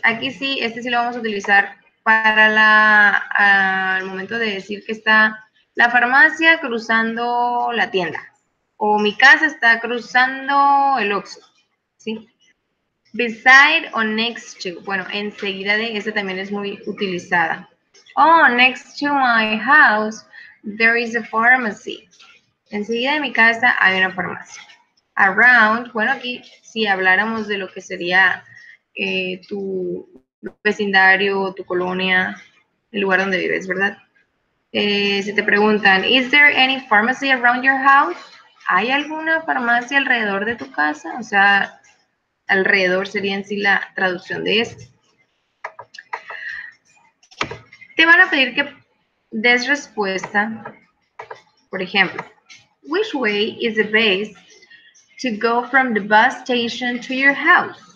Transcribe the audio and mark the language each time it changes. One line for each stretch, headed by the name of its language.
Spanish: Aquí sí, este sí lo vamos a utilizar para al momento de decir que está la farmacia cruzando la tienda o mi casa está cruzando el Oxxo, ¿sí? Beside o next to, bueno, enseguida de, esta también es muy utilizada.
English: Oh, next to my house, there is a pharmacy.
Spanish: Enseguida de mi casa hay una farmacia. Around, bueno, aquí si habláramos de lo que sería tu vecindario, tu colonia, el lugar donde vives, ¿verdad? Si te preguntan,
English: is there any pharmacy around your house?
Spanish: ¿Hay alguna farmacia alrededor de tu casa? O sea, alrededor sería en sí la traducción de esto. Te van a pedir que des respuesta, por ejemplo,
English: which way is the best to go from the bus station to your house?